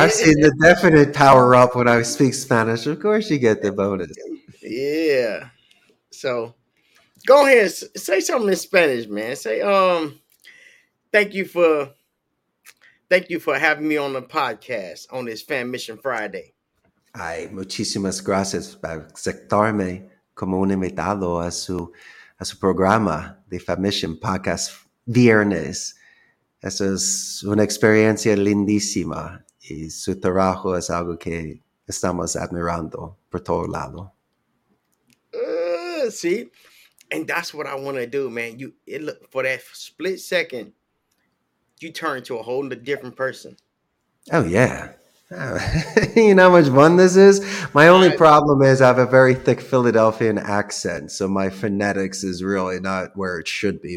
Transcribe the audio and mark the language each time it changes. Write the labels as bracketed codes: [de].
[en] I've seen the definite power up when I speak Spanish. Of course, you get the bonus. Yeah. So, go ahead, say something in Spanish, man. Say, Thank you for having me on the podcast on this Fammission Friday. [es] Ay, muchísimas gracias por aceptarme como un invitado a su programa de Fammission Podcast Viernes. Eso es una experiencia lindísima y su trabajo es algo que estamos admirando por todo lado. [en] See, and that's what I want to do, man. For that split second, you turn to a whole different person. Oh, yeah. You know how much fun this is? My only problem is I have a very thick Philadelphian accent, so my phonetics is really not where it should be.